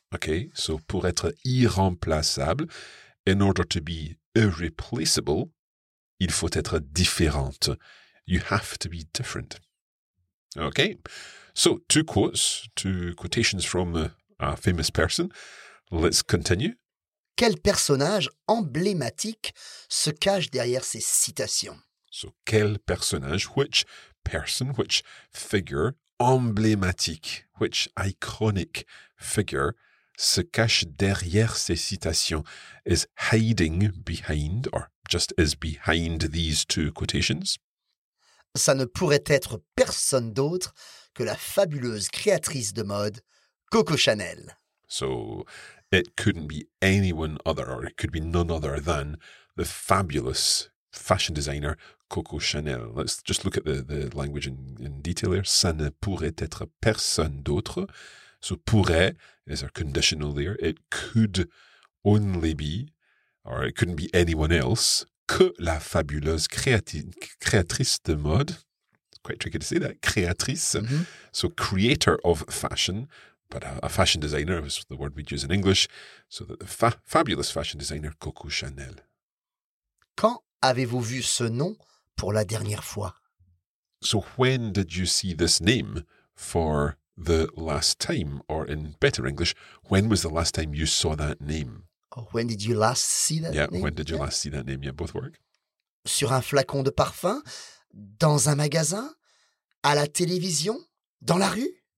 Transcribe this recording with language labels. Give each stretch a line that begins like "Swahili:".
English: Okay, so
French: pour être irremplaçable,
English: in order to be irreplaceable,
French: il faut être différente.
English: You have to be different. Okay. So, two quotes, two quotations from a famous person. Let's continue.
French: Quel personnage emblématique se cache derrière ces citations?
English: So,
French: quel personnage,
English: which person, which figure, emblématique, which iconic figure,
French: se cache derrière ces citations,
English: is hiding behind, or just is behind these two quotations.
French: Ça ne pourrait être personne d'autre que la fabuleuse créatrice de mode, Coco Chanel.
English: So, it couldn't be anyone other, or it could be none other than the fabulous fashion designer, Coco Chanel. Let's just look at the language in detail here.
French: Ça ne pourrait être personne d'autre.
English: So, pourrait is our conditional there. It could only be, or it couldn't be anyone else,
French: que la fabuleuse créatrice de mode.
English: It's quite tricky to say that. Créatrice. So, creator of fashion, but a fashion designer is the word we'd use in English. So, that the fabulous fashion designer, Coco Chanel.
French: Quand avez-vous vu ce nom pour la dernière fois?
English: So, when did you see this name for the last time, or in better English, when was the last time you saw that name? Oh, when did you last see that name? Yeah, when did you last see that name? Yeah, both work.
French: Sur un flacon de parfum, dans un magasin, à la télévision, dans la rue?